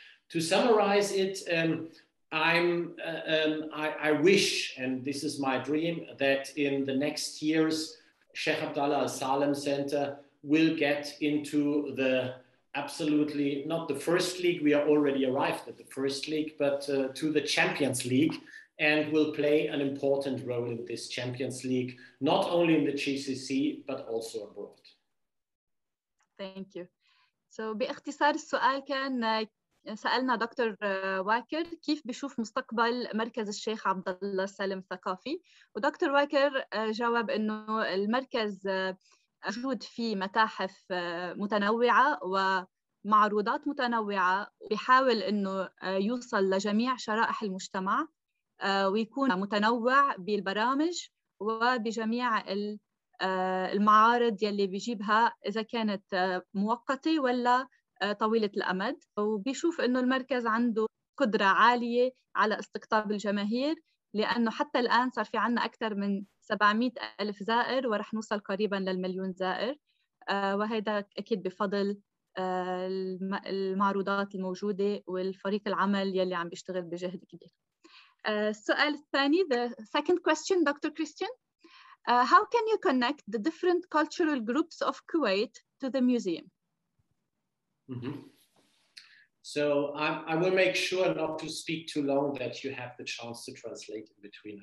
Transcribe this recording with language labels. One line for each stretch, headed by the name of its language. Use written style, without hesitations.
English: To summarize it, I wish, and this is my dream, that in the next years, Sheikh Abdallah Al Salem Center will get into the absolutely, not the first league, we are already arrived at the first league, but to the Champions League, and will play an important role in this Champions League, not only in the GCC, but also abroad. Thank you.
Arabic: So, باختصار السؤال كان, سألنا دكتور واكر كيف بيشوف مستقبل مركز الشيخ عبدالله السالم الثقافي, ودكتور واكر جاوب أنه المركز موجود فيه متاحف متنوعة ومعروضات متنوعة بيحاول أنه يوصل لجميع شرائح المجتمع ويكون متنوع بالبرامج وبجميع المعارض يلي بيجيبها إذا كانت موقتة ولا طويلة الأمد, وبيشوف أنه المركز عنده قدرة عالية على استقطاب الجماهير لأنه حتى الآن صار في عنا أكثر من 700,000 زائر ورح نوصل قريباً للمليون زائر, وهذا أكيد بفضل المعروضات الموجودة والفريق العمل يلي عم بيشتغل بجهد كبير. السؤال الثاني,
English: the second question, Dr. Christian, how can you connect the different cultural groups of Kuwait to the museum? Mm-hmm. So I will make sure not to speak too long that you have the chance to translate in between.